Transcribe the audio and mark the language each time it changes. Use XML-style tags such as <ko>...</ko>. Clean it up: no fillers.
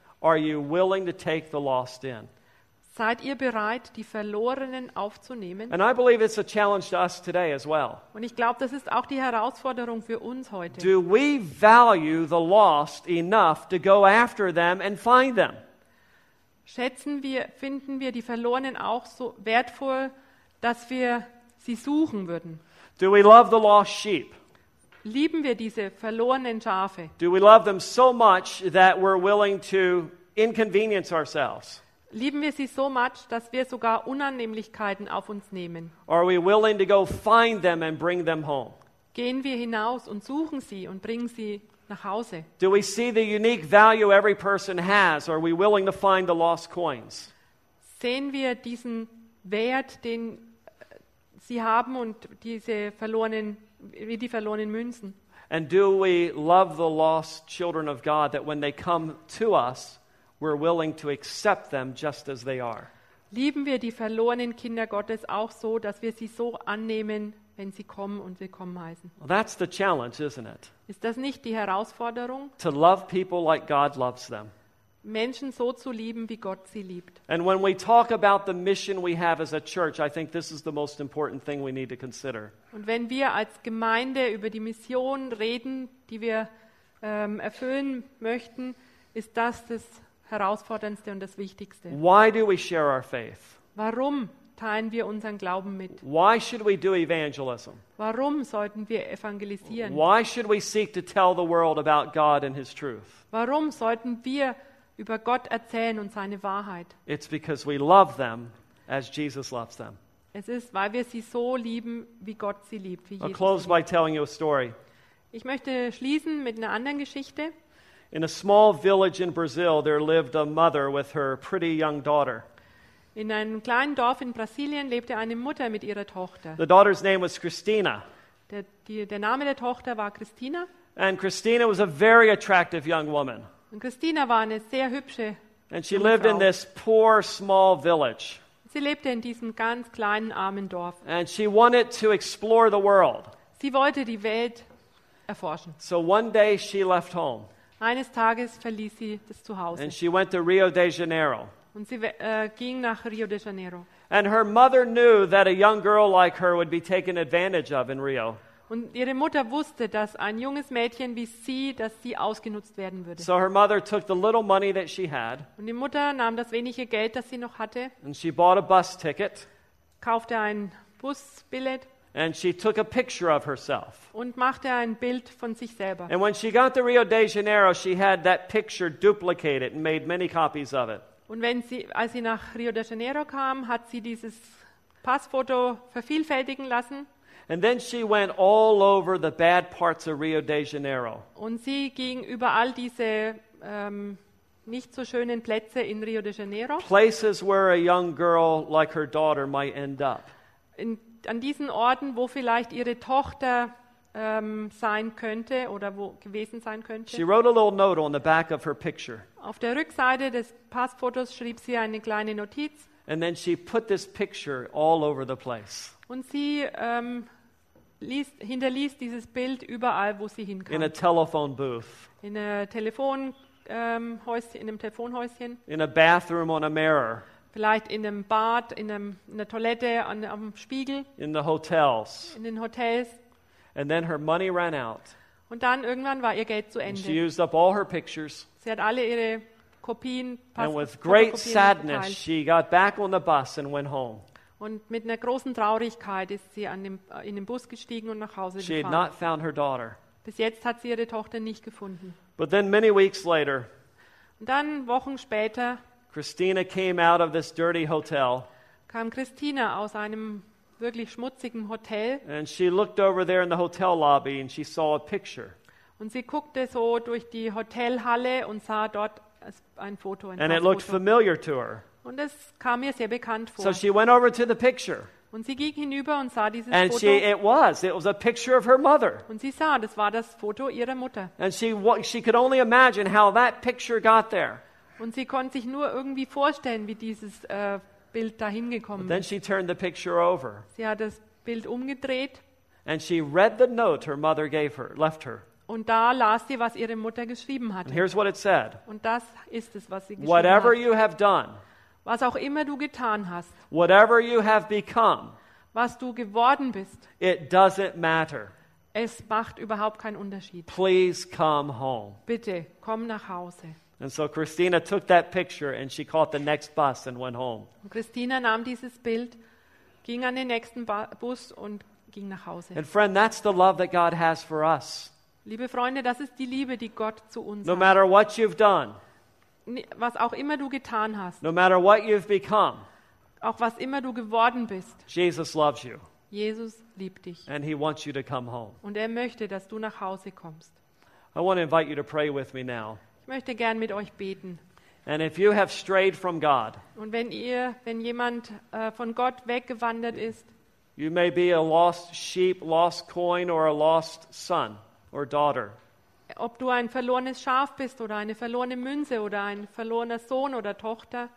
<en>Are you willing to take the lost in?</en> <de>Seid ihr bereit, die Verlorenen aufzunehmen?</de> <en>And I believe it's a challenge to us today as well.</en> <de>Und ich glaube, das ist auch die Herausforderung für uns heute.</de> <en>Do we value the lost enough to go after them and find them?</en> <de>Finden wir die Verlorenen auch so wertvoll, dass wir sie suchen würden?</de> <en>Do we love the lost sheep?</en> <de>Lieben wir diese verlorenen Schafe?</de> <en>Do we love them so much that we're willing to inconvenience ourselves?</en> <de>Lieben wir sie</de> <en>so much,</en> <de>dass wir sogar Unannehmlichkeiten auf uns nehmen?</de> <en>Are we willing to go find them and bring them home?</en> <de>Gehen wir hinaus und suchen sie und bringen sie nach Hause.</de> <en>Do we see the unique value every person has, or are we willing to find the lost coins?</en> <de>Sehen wir diesen Wert, den sie haben und diese verlorenen, wie die verlorenen Münzen?</de> <en>And do we love the lost children of God that when they come to us, we're willing to accept them just as they are?</en> <de>Lieben wir die verlorenen Kinder Gottes auch so, dass wir sie so annehmen, wenn sie kommen und willkommen heißen?</de> <en>Well, that's the challenge, isn't it?</en> <de>Ist das nicht die Herausforderung?</de> <en>To love people like God loves them.</en> <de>Menschen so zu lieben, wie Gott sie liebt.</de> <en>And when we talk about the mission we have as a church, I think this is the most important thing we need to consider.</en> <de>Und wenn wir als Gemeinde über die Mission reden, die wir erfüllen möchten, ist das das Herausforderndste und das Wichtigste.</de> <en>Why do we share our faith?</en> <de>Warum teilen wir unseren Glauben mit?</de> <en>Why should we do evangelism?</en> <de>Warum sollten wir evangelisieren?</de> <en>Why should we seek to tell the world about God and his truth?</en> <de>Warum sollten wir über Gott erzählen und seine Wahrheit?</de> <en>It's because we love them as Jesus loves them.</en> <de>Es ist, weil wir sie so lieben, wie Gott sie liebt, wie Jesus.</de> <en>I'll close by telling you a story.</en> <de>Ich möchte schließen mit einer anderen Geschichte.</de> <en>In a small village in Brazil, there lived a mother with her pretty young daughter.</en> <de>In einem kleinen Dorf in Brasilien lebte eine Mutter mit ihrer Tochter.</de> <en>The daughter's name was Christina.</en> <de>Der Name der Tochter war Christina.</de> <en>And Christina was a very attractive young woman.</en> <de>Und Christina war eine sehr hübsche junge Frau.</de> <en>And she lived in this poor, small village.</en> <de>Sie lebte in diesem ganz kleinen, armen Dorf.</de> <en>And she wanted to explore the world.</en> <de>Sie wollte die Welt erforschen.</de> <en>So one day she left home.</en> <de>Eines Tages verließ sie das Zuhause.</de> <en>And she went to Rio de Janeiro.</en> <de>Und sie ging nach Rio de Janeiro.</de> <en>And her mother knew that a young girl like her would be taken advantage of in Rio.</en> <de>Und ihre Mutter wusste, dass ein junges Mädchen wie sie, dass sie ausgenutzt werden würde.</de> <en>So her mother took the little money that she had.</en> <de>Und die Mutter nahm das wenige Geld, das sie noch hatte.</de> <en>And she bought a bus ticket.</en> <de>Kaufte ein Busbillett.</de> <en>And she took a picture of herself.</en> <de>Und machte ein Bild von sich selber.</de> <en>And when she got to Rio de Janeiro, she had that picture duplicated and made many copies of it.</en> <de>Und als sie nach Rio de Janeiro kam, hat sie dieses Passfoto vervielfältigen lassen.</de> <en>And then she went all over the bad parts of Rio de Janeiro.</en> <de>Und sie ging über all diese nicht so schönen Plätze in Rio de Janeiro.</de> <en>Places where a young girl like her daughter might end up.</en> <de>An diesen Orten, wo vielleicht ihre Tochter sein könnte oder wo gewesen sein könnte.</de> <en>She wrote a little note on the back of her picture.</en> <de>Auf der Rückseite des Passfotos schrieb sie eine kleine Notiz.</de> <en>And then she put this picture all over the place.</en> <de>Und sie hinterließ dieses Bild überall, wo sie hinkam.</de> <en>In a telephone booth.</en> <de>In einem Telefonhäuschen.</de> <en>In a bathroom on a mirror.</en> <de>Vielleicht in einem Bad, in einer Toilette, am Spiegel.</de> <en>In the hotels.</en> <de>In den Hotels.</de> <en>And then her money ran out.</en> <de>Und dann irgendwann war ihr Geld zu Ende.</de> <en>She used up all her pictures.</en> <de>Sie hat alle ihre Kopien.</de> <en>And with great sadness, she got back on the bus and went home.</en> <de>Und mit einer großen Traurigkeit ist sie in den Bus gestiegen und nach Hause gefahren.</de> <en>She had not found her daughter.</en> <de>Bis jetzt hat sie ihre Tochter nicht gefunden.</de> <en>But then many weeks later.</en> <de>Und dann Wochen später.</de> <en>Christina came out of this dirty hotel.</en> <de>Kam Christina aus einem wirklich schmutzigen Hotel.</de> <en>And she looked over there in the hotel lobby and she saw a picture.</en> <de>Und sie guckte so durch die Hotelhalle und sah dort ein Foto.</de> <en>And it looked familiar to her.</en> <de>Und es kam ihr sehr bekannt vor.</de> <en>So she went over to the picture.</en> <de>Und sie ging hinüber und sah dieses</de> <en>and</en> <de>Foto.</de> <en>It was a picture of her mother.</en> <de>Und sie sah, das war das Foto ihrer Mutter.</de> <en>And she could only imagine how that picture got there.</en> <de>Und sie konnte sich nur irgendwie vorstellen, wie dieses Bild dahin gekommen ist.</de> <en>Then she turned the picture over.</en> <de>Sie hat das Bild umgedreht.</de> <en>And she read the note her mother gave her, left her.</en> <de>Und da las sie, was ihre Mutter geschrieben hatte.</de> <en>And here's what it said.</en> <de>Und das ist es, was sie geschrieben hat.</de> <en>Whatever</en> <de>hatte.</de> <en>You have done.</en> <de>Was auch immer du getan hast.</de> <en>Whatever you have become.</en> <de>Was du geworden bist.</de> <en>It doesn't matter.</en> <de>Es macht überhaupt keinen Unterschied.</de> <en>Please come home.</en> <de>Bitte, komm nach Hause.</de> <en>And so Christina took that picture and she caught the next bus and went home.</en> <de>Christina nahm dieses Bild, ging an den nächsten Bus und ging nach Hause.</de> <en>And friend, that's the love that God has for us.</en> <de>Liebe Freunde, das ist die Liebe, die Gott zu uns hat.</de> <en>No matter what you've done.</en> <de>Was auch immer du getan hast.</de> <en>No matter what you've become.</en> <de>Auch was immer du geworden bist.</de> <en>Jesus loves you.</en> <de>Jesus liebt dich.</de> <en>And he wants you to come home.</en> <de>Und er möchte, dass du nach Hause kommst.</de> <en>I want to invite you to pray with me now.</en> <de>Ich möchte gern mit euch beten.</de> <en>And if you have strayed from God.</en> <de>Und wenn jemand von Gott weggewandert ist.</de> <en>You may be a lost sheep, lost coin or a lost son or daughter.</en> <de>Ob du ein verlorenes Schaf bist oder eine verlorene Münze oder ein verlorener Sohn oder Tochter.</de>